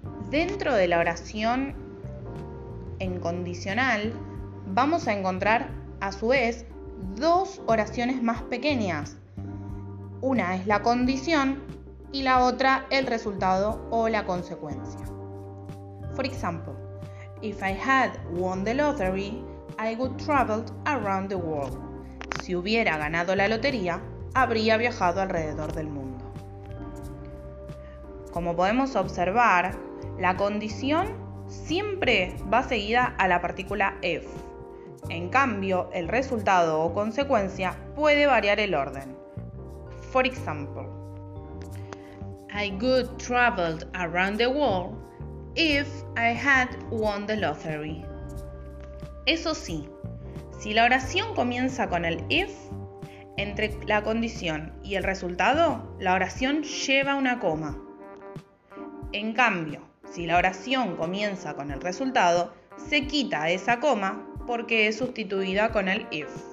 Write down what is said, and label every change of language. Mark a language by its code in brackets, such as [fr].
[es] Dentro de la oración en condicional, vamos a encontrar a su vez dos oraciones más pequeñas. Una es la condición y la otra el resultado o la consecuencia. [en] For example, if I had won the lottery, I would traveled around the world. [es] Si hubiera ganado la lotería, habría viajado alrededor del mundo. Como podemos observar, la condición siempre va seguida a la partícula if. En cambio, el resultado o consecuencia puede variar el orden. [en] For example, I could traveled around the world if I had won the lottery. [es] Eso sí, si la oración comienza con el if, entre la condición y el resultado, la oración lleva una coma. En cambio, si la oración comienza con el resultado, se quita esa coma porque es sustituida con el if.